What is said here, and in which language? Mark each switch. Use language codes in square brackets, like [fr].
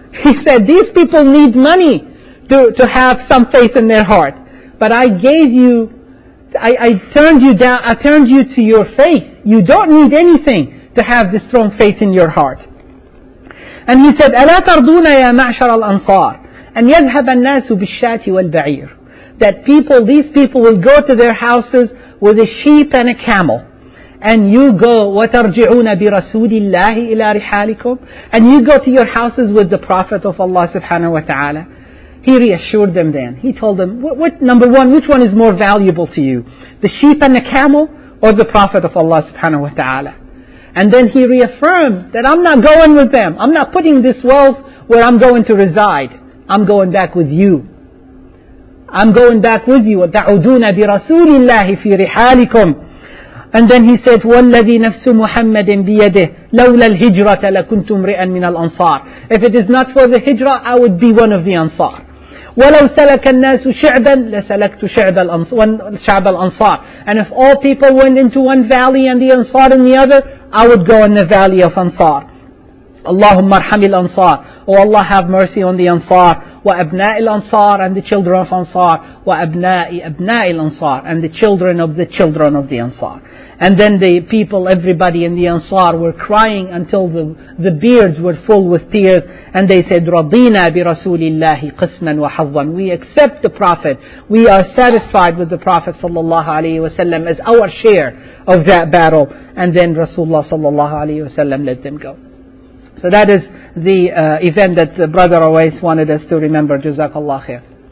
[en] He said, these people need money to have some faith in their heart. But I gave you, I turned you down, I turned you to your faith. You don't need anything to have this strong faith in your heart. And he said, [ar] أَلَا تَرْضُونَ يَا مَعْشَرَ الْأَنصَارِ أَنْ يَذْهَبَ النَّاسُ بِالشَّاتِ وَالْبَعِيرِ. [en] That people, these people will go to their houses with a sheep and a camel. And you go, [ar] وَتَرْجِعُونَ بِرَسُولِ اللَّهِ إِلَىٰ رِحَالِكُمْ. [en] And you go to your houses with the Prophet of Allah subhanahu wa ta'ala. He reassured them then. He told them, what number one, which one is more valuable to you? The sheep and the camel or the Prophet of Allah subhanahu wa ta'ala. And then he reaffirmed that I'm not going with them. I'm not putting this wealth where I'm going to reside. I'm going back with you. I'm going back with you. [ar] وَتَعُدُونَ بِرَسُولِ اللَّهِ فِي رِحَالِكُمْ. [en] And then he said, [ar] وَالَّذِي نَفْسُ مُحَمَّدٍ بِيَدِهِ لَوْلَا الْهِجْرَةَ لَكُنْتُمْ رِئًا مِنَ الْأَنصَارِ. [en] If it is not for the hijrah, I would be one of the Ansar. [ar] وَلَوْ سَلَكَ النَّاسُ شِعْبًا لَسَلَكْتُ شَعْبَ الْأَنصَارِ. [en] And if all people went into one valley and the Ansar in the other, I would go in the valley of Ansar. [ar] اللهم ارحم الأنصار. [en] Oh Allah, have mercy on the Ansar. [ar] وأبناء الأنصار, [en] and the children of Ansar. [ar] وأبناء أبناء الأنصار, [en] and the children of the children of the Ansar. And then the people, everybody in the Ansar were crying until the beards were full with tears. And they said, [ar] رضينا برسول الله قسما وحظا. [en] We accept the Prophet. We are satisfied with the Prophet صلى الله عليه وسلم as our share of that battle. And then Rasulullah صلى الله عليه وسلم let them go. So that is the event that the brother always wanted us to remember. Jazakallah khair.